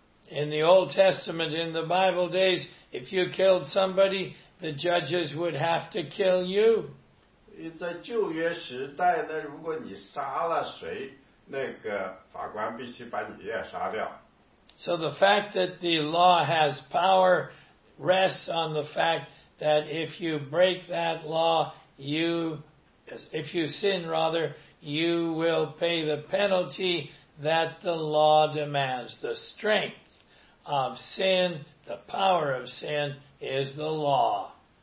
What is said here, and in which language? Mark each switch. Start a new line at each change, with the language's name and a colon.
English: In the Old Testament, in the Bible days, if you killed somebody, the judges would have to kill you.
Chinese: 在旧约时代呢，如果你杀了谁，那个法官必须把你也杀掉。
English: So the fact that the law has power rests on the fact that if you break that law, if you sin, you will pay the penalty that the law demands. The strength of sin, the power of sin, is the law.